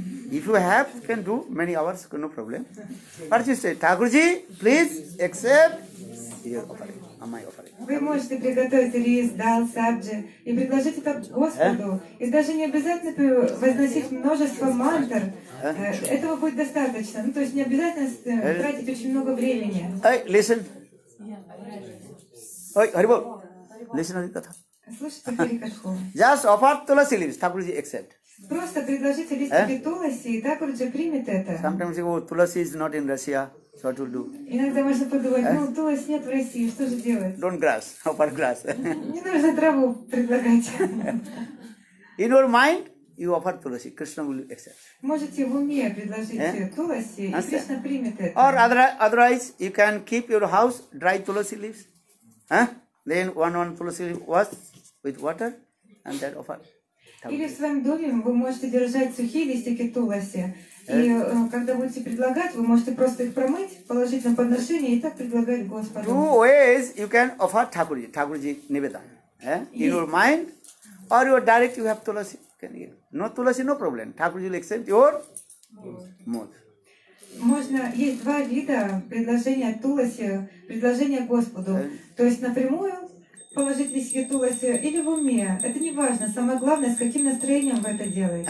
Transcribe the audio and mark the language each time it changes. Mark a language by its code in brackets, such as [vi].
[en] If you have, you can do many hours, no problem. But you say, Thakurji, please accept your offering, my offering. [ru] Вы можете приготовить рис, дал, сабджи и предложить это Господу. И даже не обязательно возносить множество мантр. Этого будет достаточно. Ну, то есть не обязательно тратить очень много времени. [en] Hey, listen. Hey, Haribol. Listen, Adikata. [ru] Слушайте, [en] Just offer tulasi leaves, Thakurji accept. [ru] Просто предложите листики туласи, и Такурджи примет это. [en] Sometimes you go, tulasi is not in Russia. So what to do? [ru] Иногда можно подумать, ну, Тулас нет в России, что же делать? [en] Don't grass, open grass. [ru] Не нужно траву предлагать. [en] In your mind, you offer Tulasi. Krishna will accept. [ru] Можете в уме предложить Tulasi, и Krishna примет это. [en] Or otherwise, you can keep your house dry Tulasi leaves. Then one Tulasi leaf was with water, and then offer. [ru] Или в своем доме вы можете держать сухие листики Tulasi. И когда будете предлагать, вы можете просто их промыть, положить на подношение и так предлагать Господу. [en] Two ways you can offer Thakurji, Thakurji Nivedan. In your mind, or your direct you have Tulasi. No Tulasi, no problem. Thakurji will accept your mood. [ru] Можно, есть два вида предложения Tulasi, предложения Господу. То есть напрямую положить листики Tulasi или в уме. Это не важно. Самое главное, с каким настроением вы это делаете.